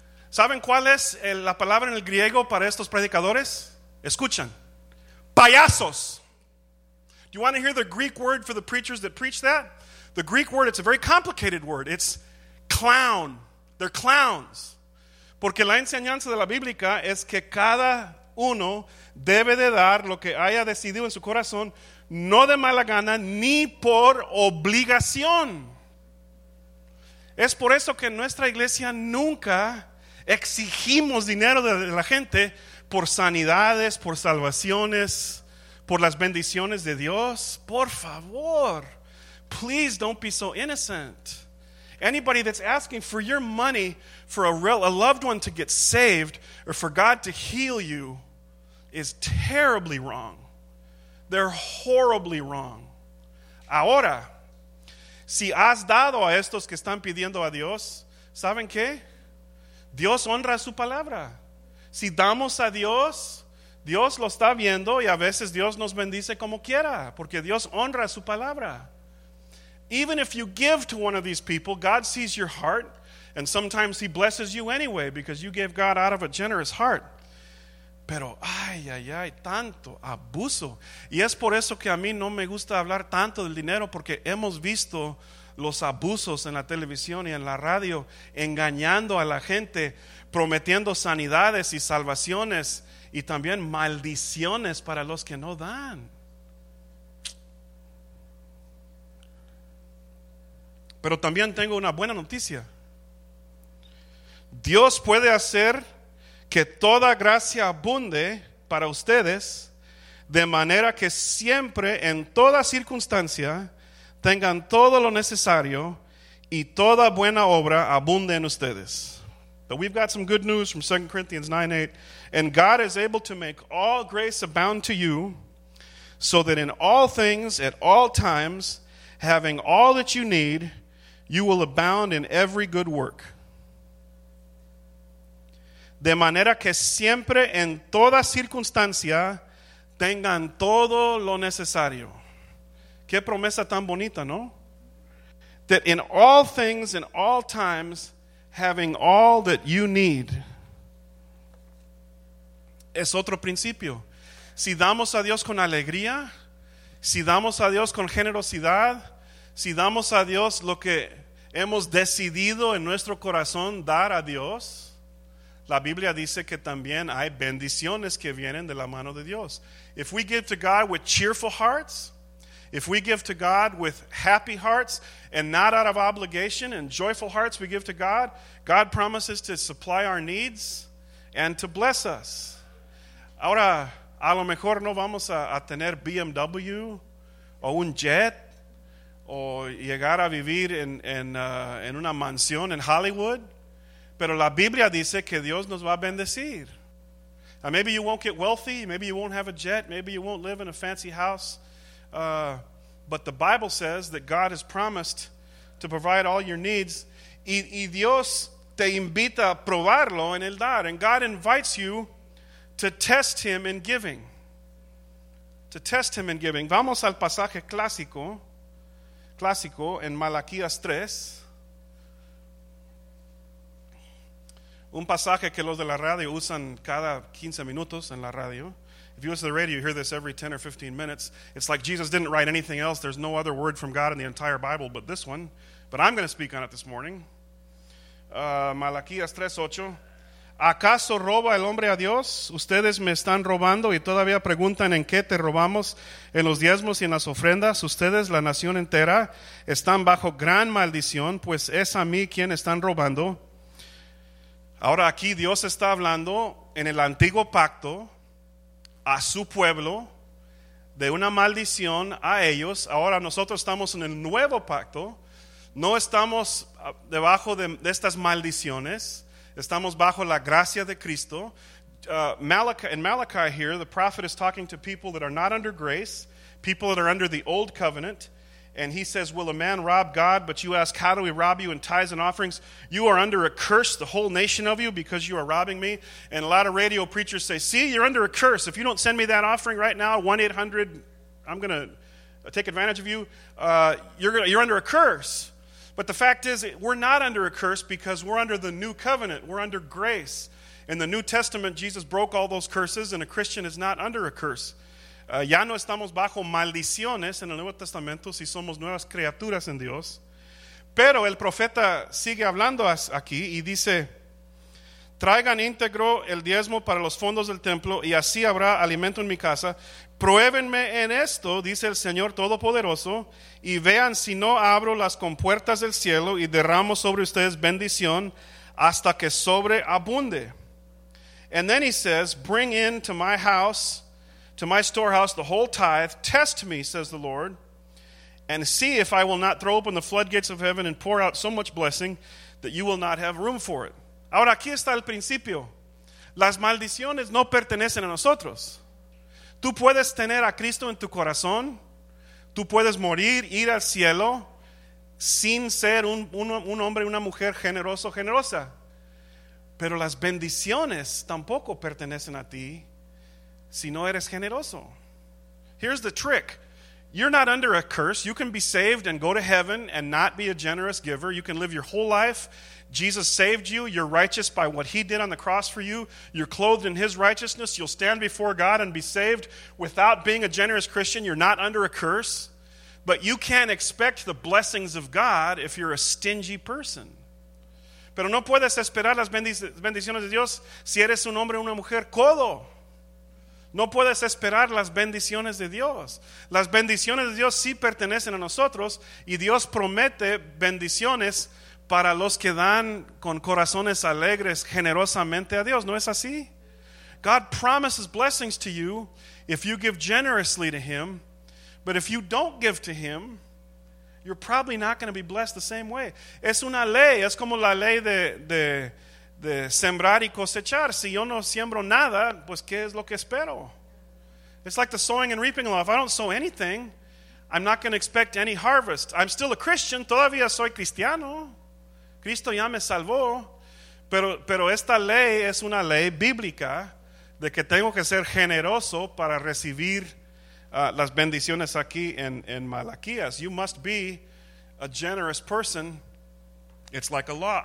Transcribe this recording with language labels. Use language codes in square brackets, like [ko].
[es] ¿Saben cuál es la palabra en el griego para estos predicadores? Escuchan. Payasos. [en] Do you want to hear the Greek word for the preachers that preach that? The Greek word, it's a very complicated word. It's clown. They're clowns. Porque la enseñanza de la Biblia es que cada uno debe de dar lo que haya decidido en su corazón, no de mala gana ni por obligación. Es por eso que en nuestra iglesia nunca exigimos dinero de la gente por sanidades, por salvaciones, por las bendiciones de Dios. [es] Por favor, [en] please don't be so innocent. Anybody that's asking for your money for a loved one to get saved or for God to heal you is terribly wrong. They're horribly wrong. [es] Ahora, si has dado a estos que están pidiendo a Dios, ¿saben qué? Dios honra su palabra. Si damos a Dios, Dios lo está viendo y a veces Dios nos bendice como quiera, porque Dios honra su palabra. [en] Even if you give to one of these people, God sees your heart, and sometimes he blesses you anyway because you gave God out of a generous heart. [es] Pero, ay, ay, ay, tanto abuso. Y es por eso que a mí no me gusta hablar tanto del dinero, porque hemos visto los abusos en la televisión y en la radio, engañando a la gente, prometiendo sanidades y salvaciones, y también maldiciones para los que no dan. Pero también tengo una buena noticia. Dios puede hacer que toda gracia abunde para ustedes, de manera que siempre, en toda circunstancia, tengan todo lo necesario y toda buena obra abunde en ustedes. [en] But we've got some good news from 2 Corinthians 9:8. And God is able to make all grace abound to you, so that in all things, at all times, having all that you need, you will abound in every good work. [es] De manera que siempre en toda circunstancia tengan todo lo necesario. Qué promesa tan bonita, ¿no? [en] That in all things, in all times, having all that you need. [es] Es otro principio. Si damos a Dios con alegría, si damos a Dios con generosidad, si damos a Dios lo que hemos decidido en nuestro corazón dar a Dios, la Biblia dice que también hay bendiciones que vienen de la mano de Dios. [en] If we give to God with cheerful hearts, if we give to God with happy hearts and not out of obligation, and joyful hearts we give to God, God promises to supply our needs and to bless us. [es] Ahora, a lo mejor no vamos a tener BMW o un jet, o llegar a vivir en una mansión en Hollywood. Pero la Biblia dice que Dios nos va a bendecir. [en] Now maybe you won't get wealthy. Maybe you won't have a jet. Maybe you won't live in a fancy house. But the Bible says that God has promised to provide all your needs. [es] Y Dios te invita a probarlo en el dar. [en] And God invites you to test him in giving. To test him in giving. [es] Vamos al pasaje clásico. Clásico en Malaquías 3. Un pasaje que los de la radio usan cada 15 minutos en la radio. [en] If you listen to the radio, you hear this every 10 or 15 minutes. It's like Jesus didn't write anything else. There's no other word from God in the entire Bible but this one. But I'm going to speak on it this morning. [es] Malaquías 3:8. ¿Acaso roba el hombre a Dios? Ustedes me están robando y todavía preguntan en qué te robamos, en los diezmos y en las ofrendas. Ustedes, la nación entera, están bajo gran maldición, pues es a mí quien están robando. Ahora aquí Dios está hablando en el antiguo pacto a su pueblo de una maldición a ellos. Ahora nosotros estamos en el nuevo pacto, no estamos debajo de estas maldiciones. Estamos bajo la gracia de Cristo. [en] Malachi here, the prophet is talking to people that are not under grace, people that are under the old covenant, and he says, will a man rob God? But you ask, how do we rob you in tithes and offerings? You are under a curse, the whole nation of you, because you are robbing me. And a lot of radio preachers say, see, you're under a curse. If you don't send me that offering right now, 1-800, I'm going to take advantage of you. You're under a curse. But the fact is, we're not under a curse because we're under the new covenant. We're under grace. In the New Testament, Jesus broke all those curses, and a Christian is not under a curse. [es] Ya no estamos bajo maldiciones en el Nuevo Testamento si somos nuevas criaturas en Dios. Pero el profeta sigue hablando aquí y dice, traigan íntegro el diezmo para los fondos del templo y así habrá alimento en mi casa. Pruébenme en esto, dice el Señor Todopoderoso, y vean si no abro las compuertas del cielo y derramo sobre ustedes bendición hasta que sobreabunde. [en] And then he says, bring in to my house, to my storehouse, the whole tithe. Test me, says the Lord, and see if I will not throw open the floodgates of heaven and pour out so much blessing that you will not have room for it. [es] Ahora aquí está el principio. Las maldiciones no pertenecen a nosotros. Tú puedes tener a Cristo en tu corazón. Tú puedes morir, ir al cielo sin ser un hombre, una mujer generoso, generosa. Pero las bendiciones tampoco pertenecen a ti si no eres generoso. [en] Here's the trick. You're not under a curse. You can be saved and go to heaven and not be a generous giver. You can live your whole life. Jesus saved you. You're righteous by what he did on the cross for you. You're clothed in his righteousness. You'll stand before God and be saved without being a generous Christian. You're not under a curse. But you can't expect the blessings of God if you're a stingy person. [es] Pero no puedes esperar las bendiciones de Dios si eres un hombre o una mujer codo. No puedes esperar las bendiciones de Dios. Las bendiciones de Dios sí pertenecen a nosotros y Dios promete bendiciones para los que dan con corazones alegres generosamente a Dios. ¿No es así? [en] God promises blessings to you if you give generously to him. But if you don't give to him, you're probably not going to be blessed the same way. [es] Es una ley. Es como la ley de sembrar y cosechar. Si yo no siembro nada, pues ¿qué es lo que espero? [en] It's like the sowing and reaping law. If I don't sow anything, I'm not going to expect any harvest. I'm still a Christian. [es] Todavía soy cristiano. Cristo ya me salvó, pero esta ley es una ley bíblica de que tengo que ser generoso para recibir las bendiciones aquí en Malaquías. [en] You must be a generous person. It's like a law.